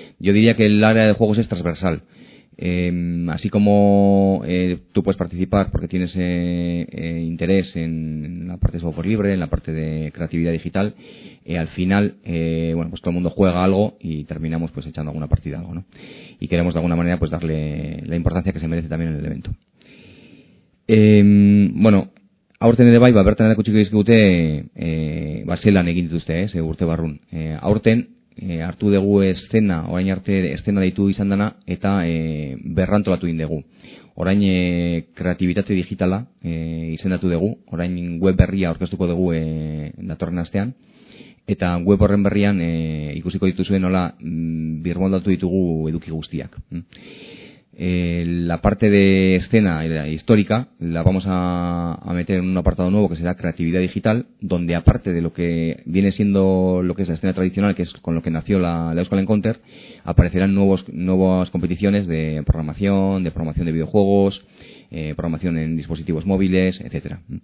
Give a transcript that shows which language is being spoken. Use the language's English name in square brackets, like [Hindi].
[Spanish] Yo diría que el área de juegos es transversal. Así como tú puedes participar porque tienes interés en la parte de software libre, en la parte de creatividad digital, al final bueno pues todo el mundo juega algo y terminamos pues echando alguna partida algo, ¿no? Y queremos de alguna manera pues darle la importancia que se merece también en el evento. [Basque] Bueno, aurten ere bai, ba, bertan erakutsiko dizkigute baselan egin dituzte, urte barrun. Aurten hartu dugu eszena, orain arte eszena deitu izan dana, eta berrantolatu egin dugu. Orain kreatibitate digitala izendatu dugu, orain web berria aurkeztuko dugu datorren astean, eta web horren berrian ikusiko dituzue nola birmoldatu ditugu eduki guztiak. [Spanish] La parte de escena histórica la vamos a meter en un apartado nuevo que será creatividad digital, donde aparte de lo que viene siendo lo que es la escena tradicional, que es con lo que nació la Euskal Encounter, aparecerán nuevas competiciones de programación de videojuegos, programación en dispositivos móviles, etcétera.